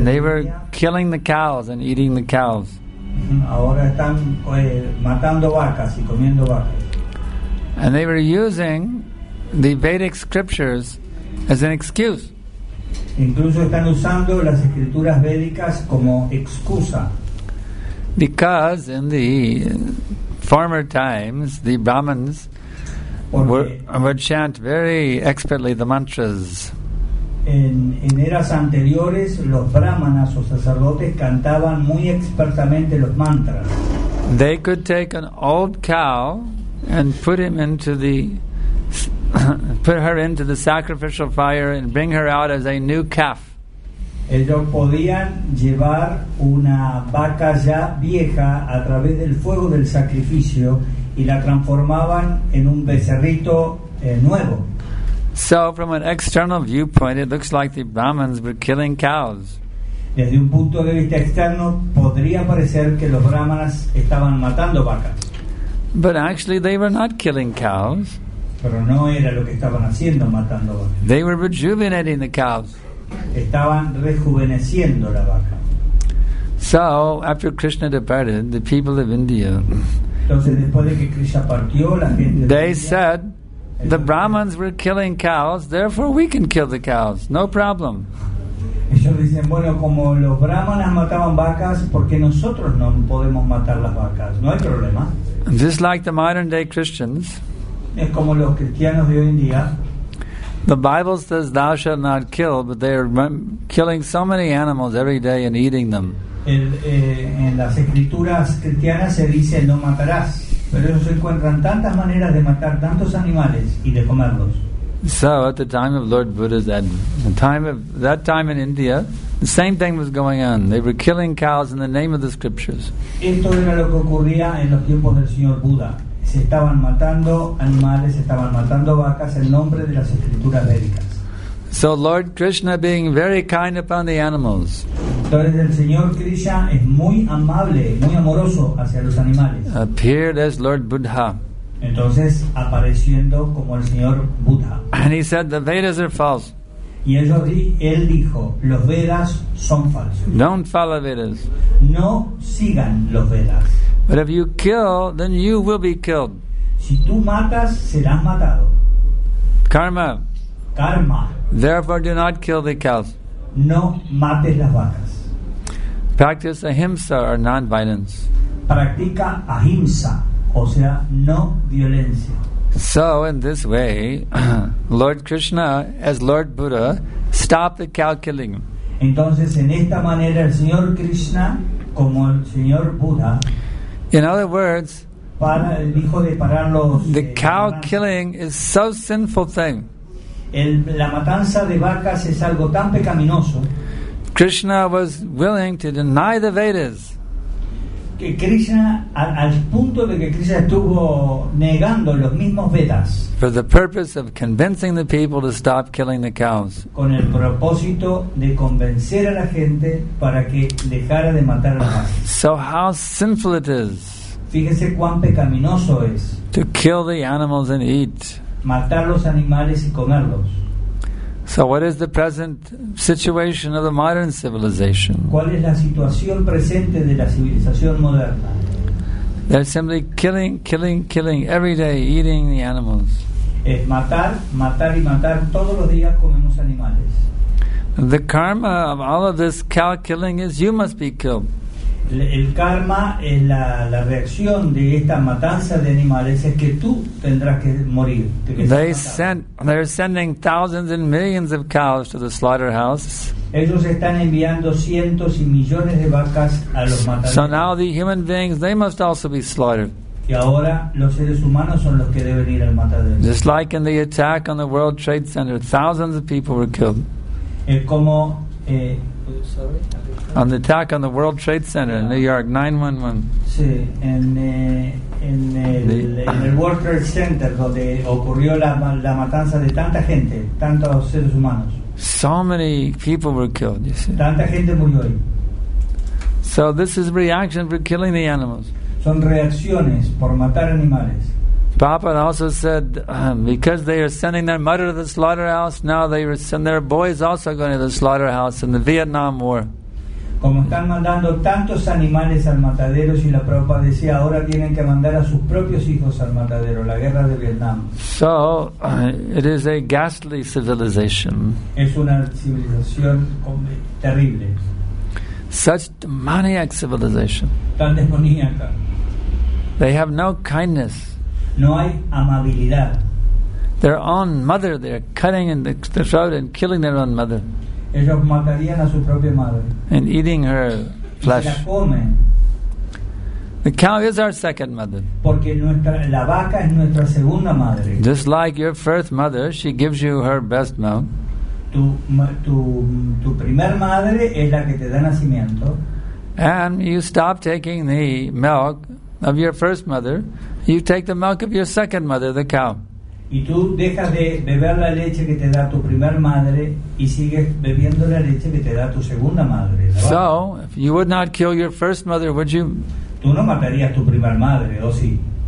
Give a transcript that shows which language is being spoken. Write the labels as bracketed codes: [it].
[en] they were killing the cows and eating the cows. [es] Ahora están, matando vacas y comiendo vacas. [en] And they were using the Vedic scriptures as an excuse. [es] Incluso están usando las escrituras védicas como excusa. [en] Because in the former times, the Brahmins would chant very expertly the mantras. [es] En eras anteriores, los brahmanas o sacerdotes cantaban muy expertamente los mantras. [en] They could take an old cow and put her into the sacrificial fire and bring her out as a new calf. [es] Ellos podían llevar una vaca ya vieja a través del fuego del sacrificio y la transformaban en un becerrito nuevo. [en] So, from an external viewpoint, it looks like the Brahmins were killing cows. [es] Desde un punto de vista externo, podría parecer que los Brahmanas estaban matando vacas. [en] But actually, they were not killing cows. [es] Pero no era lo que estaban haciendo, matando vacas. [en] They were rejuvenating the cows. [es] Estaban rejuveneciendo la vaca. [en] So, after Krishna departed, the people of India, [es] entonces, después de que Krishna partió, la gente [en] they [es] de India, [en] said, the Brahmins were killing cows, therefore we can kill the cows. No problem. [es] Ellos dicen, bueno, como los brahmanas mataban vacas, ¿por qué nosotros no podemos matar las vacas? No hay problema. [en] Just like the modern day Christians, [es] es como los cristianos de hoy en día, [en] the Bible says thou shalt not kill, but they are killing so many animals every day and eating them. [es] En las escrituras cristianas se dice no matarás. Pero ellos encuentran tantas maneras de matar tantos animales y de comerlos. [en] So at the time of Lord Buddha's time in India, the same thing was going on. They were killing cows in the name of the scriptures. [es] Esto era lo que ocurría en los tiempos del señor Buda. Se estaban matando animales, se estaban matando vacas en nombre de las escrituras védicas. [en] So Lord Krishna, being very kind upon the animals, [es] entonces el señor Krishna es muy amable, muy amoroso hacia los animales, [en] appeared as Lord Buddha. [es] Entonces apareciendo como el señor Buddha. [en] And he said the Vedas are false. [es] Y él dijo, los Vedas son falsos. [en] Don't follow Vedas. [es] No sigan los Vedas. [en] But if you kill, then you will be killed. [es] Si tú matas, serás matado. [en] Karma. [es] Karma. [en] Therefore, do not kill the cows. [es] No mates las vacas. [en] Practice ahimsa or non-violence. [es] Practica ahimsa, o sea, no violencia. [en] So, in this way, Lord Krishna, as Lord Buddha, stopped the cow killing. [es] Entonces, en esta manera, el señor Krishna, como el señor Buddha. [en] In other words, the cow killing is so sinful thing. [es] La matanza de vacas es algo tan pecaminoso. [en] Krishna was willing to deny the Vedas. [es] Que Krishna, al punto de que Krishna estuvo negando los mismos Vedas. [en] For the purpose of convincing the people to stop killing the cows. [es] Con el propósito de convencer a la gente para que dejara de matar a las vacas. [en] So how sinful it is. [es] Fíjese cuán pecaminoso es. [en] To kill the animals and eat. [es] Matar los animales y comerlos. [en] So what is the present situation of the modern civilization? [es] ¿Cuál es la situación presente de la civilización moderna? [en] They're simply killing, killing, killing every day, eating the animals. [es] Es matar, matar y matar. Todos los días comemos animales. [en] The karma of all of this cow killing is you must be killed. [es] El karma es la reacción de esta matanza de animales es que tú tendrás que morir. [en] They're sending thousands and millions of cows to the slaughterhouse. [es] Ellos están enviando cientos y millones de vacas a los mataderos. [en] So now the human beings, they must also be slaughtered. [es] Y ahora los seres humanos son los que deben ir al matadero. [en] Just like in the attack on the World Trade Center, thousands of people were killed. On the attack on the World Trade Center in New York, 911. [es] Sí, en el World Trade Center donde ocurrió la matanza de tanta gente, tantos seres humanos. [en] So many people were killed, you see. [es] Tanta gente murió ahí. [en] So this is reaction for killing the animals. [es] Son reacciones por matar animales. [en] Papa also said, because they are sending their mother to the slaughterhouse, now they send their boys also going to the slaughterhouse in the Vietnam War. [es] Como están mandando tantos animales al matadero, si la Prabhupada decía, ahora tienen que mandar a sus propios hijos al matadero, la guerra de Vietnam. [en] So, it is a ghastly civilization. [es] Es una civilización terrible. [en] Such demoniac civilization. [es] Tan demoníaca. [en] They have no kindness. [es] No hay amabilidad. [en] Their own mother, they're cutting in the throat and killing their own mother. [es] Ellos matarían a su propia madre. [en] And eating her flesh. [es] Y se la comen. [en] The cow is our second mother. [es] Porque la vaca es nuestra segunda madre. [en] Just like your first mother, she gives you her best milk. [es] Tu primer madre es la que te da nacimiento. [en] And you stop taking the milk of your first mother, you take the milk of your second mother, the cow. [es] Y tú dejas de beber la leche que te da tu primer madre y sigues bebiendo la leche que te da tu segunda madre. [en] So, if you would not kill your first mother, would you? [es] Tú no matarías tu primer madre, ¿o sí?